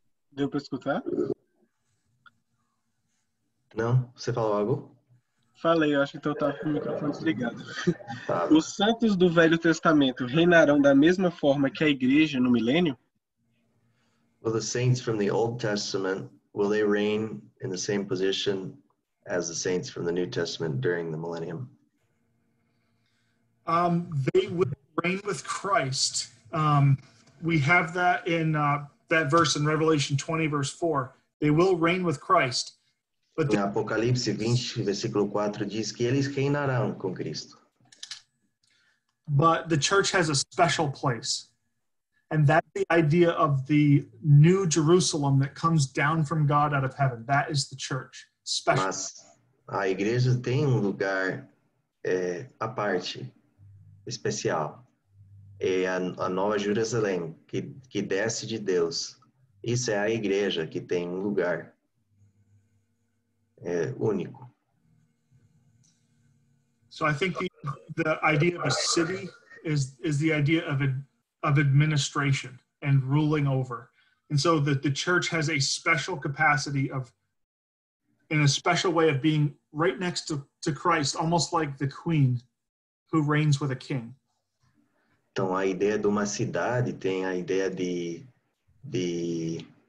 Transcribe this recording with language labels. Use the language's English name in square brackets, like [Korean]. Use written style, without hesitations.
[Portuguese] Deu para escutar? Não? Você falou algo? Falei, eu acho que eu estava com o microfone desligado. Os santos do Velho Testamento reinarão da mesma forma que a igreja no milênio? [English] Well, the saints from the Old Testament, will they reign in the same position as the saints from the New Testament during the millennium? They will reign with Christ. We have that in that verse in Revelation 20, verse 4. They will reign with Christ. [Portuguese] Em Apocalipse 20, versículo 4, diz que eles reinarão com Cristo. [English] But the church has a special place. And that's the idea of the new Jerusalem that comes down from God out of heaven. That is the church. Special. [Portuguese] Mas, A igreja tem um lugar à parte, especial. É a Nova Jerusalém, que desce de Deus. Isso é a igreja, que tem um lugar único. [English] So I think the idea of a city is the idea of administration and ruling over. And so the church has a special capacity of, in a special way of being right next to Christ, almost like the queen who reigns with a king. [Portuguese] Então a ideia de uma cidade tem a ideia de